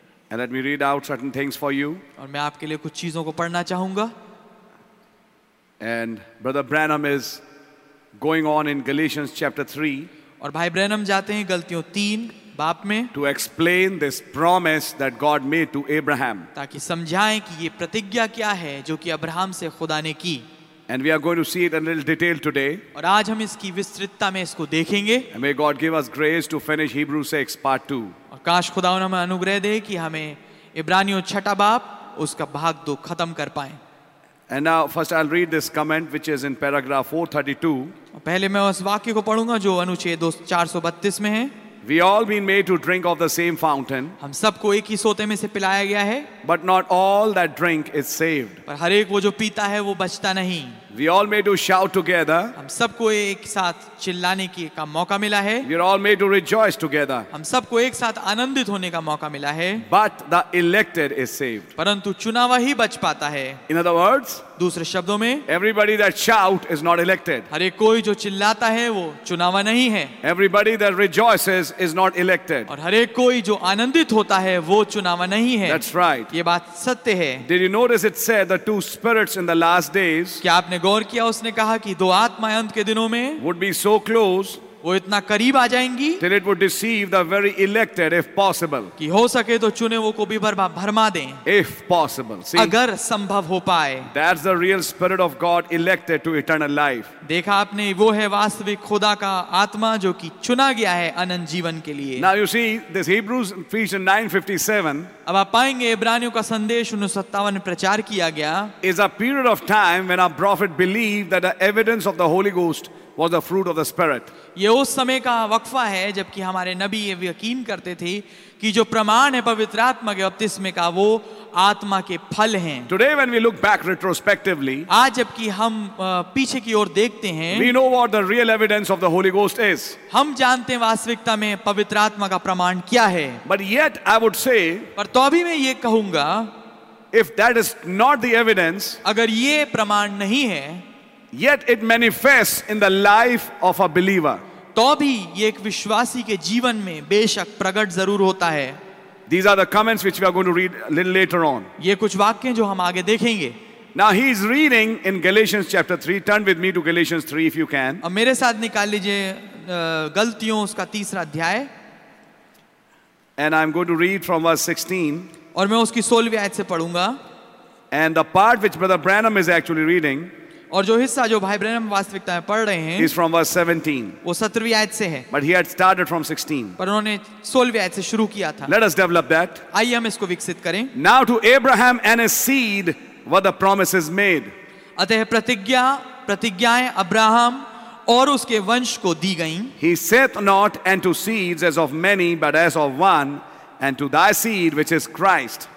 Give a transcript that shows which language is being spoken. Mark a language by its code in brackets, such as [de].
[en] And let me read out certain things for you. [hi] Aur main aapke liye kuch cheezon ko padhna chahunga. [en] And Brother Branham is going on in Galatians chapter 3. [hi] Aur bhai Branham jate hain galtiyon 3 बाप में, [en] to explain this promise that God made to Abraham. [hi] ताकि समझाएं कि ये प्रतिज्ञा क्या है जो कि अब्राहम से खुदा ने की. [en] And we are going to see it in a little detail today. [hi] और आज हम इसकी विस्तृतता में इसको देखेंगे. [en] And may God give us grace to finish Hebrews 6 part 2. [hi] और काश खुदा हमें अनुग्रह दे कि हमें इब्रानियों 6 बाप उसका भाग 2 खत्म कर पाएं. [en] And now first I'll read this comment which is in paragraph 432. [hi] पहले मैं उस वाक्य को पढ़ूंगा जो अनुच्छेद 432 में है. [en] We all been made to drink of the same fountain. [hi] हम सबको एक ही सोते में से पिलाया गया है. [en] But not all that drink is saved. [hi] पर हर एक वो जो पीता है वो बचता नहीं. [en] We all made to shout together. [hi] हम सबको एक साथ चिल्लाने की का मौका मिला है. [en] We are all made to rejoice together. [hi] हम सबको एक साथ आनंदित होने का मौका मिला है. [en] But the elected is saved. [hi] परंतु चुनावा ही बच पाता है. [en] In other words, [hi] दूसरे शब्दों में, [en] everybody that shout is not elected. [hi] हर एक कोई जो चिल्लाता है वो चुनावा नहीं है. [en] Everybody that rejoices is not elected. [hi] और हर एक कोई जो आनंदित होता है वो चुनावा नहीं है. [en] That's right. [hi] ये बात सत्य है. [en] Did you notice it said the two spirits in the last days? [hi] क्या आपने गौर किया उसने कहा कि दो आत्माएं अंत के दिनों में [en] would be so close. [hi] वो इतना करीब आ जाएंगी. [en] Till it would deceive the very elected if possible. [hi] कि हो सके तो चुने वो को भी भरमा दें. [en] If possible. See, [hi] अगर संभव हो पाए. [en] That's the real spirit of God elected to eternal life. [hi] देखा आपने वो है वास्तविक खुदा का आत्मा जो कि चुना गया है अनंत जीवन के लिए. [en] Now you see this Hebrews Ephesians 9:57. [hi] अब आप पाएंगे इब्रानियों का संदेश 1957 प्रचार किया गया. [en] Is a period of time when a prophet believed that the evidence of the Holy Ghost was the fruit of the Spirit. [hi] ये उस समय का वक्फा है जबकि हमारे नबी ये यकीन करते थे कि जो प्रमाण है पवित्र आत्मा के बपतिस्मे का वो आत्मा के फल हैं। [en] Today when we look back retrospectively, [hi] आज जबकि हम पीछे की ओर देखते हैं, [en] we know what the real evidence of the Holy Ghost is. [hi] हम जानते हैं वास्तविकता में पवित्र आत्मा का प्रमाण क्या है। [en] But yet I would say, [hi] पर तो भी मैं ये कहूँगा, [en] if that is not the evidence, [hi] अगर ये प्रमाण नहीं है, [en] yet it manifests in the life of a believer. [hi] तो भी ये एक विश्वासी के जीवन में बेशक प्रकट जरूर होता है. [en] These are the comments which we are going to read a little later on. [hi] ये कुछ वाक्य हैं जो हम आगे देखेंगे. [en] Now he is reading in Galatians chapter 3. Turn with me to Galatians 3 if you can. [hi] अब मेरे साथ निकाल लीजिए गलतियों उसका तीसरा अध्याय. [en] And I'm going to read from verse 16. [hi] और मैं उसकी 16वीं आयत से पढ़ूंगा. [en] And the part which Brother Branham is actually reading, [hi] और जो हिस्सा जो भाई ब्रैनम वास्तविकता में पढ़ रहे हैं, [en] is from verse 17. [hi] वो 17वीं आयत से है. [en] But he had started from 16. [hi] पर उन्होंने 16वीं आयत से शुरू किया था. [en] Let us develop that. [hi] आइए हम इसको विकसित करें. [en] Now to Abraham and his seed were the promises made. [hi] अतः प्रतिज्ञाएं अब्राहम और उसके वंश को दी गईं. [en] He saith not unto seeds as of many, but as of one, and to thy seed which is Christ.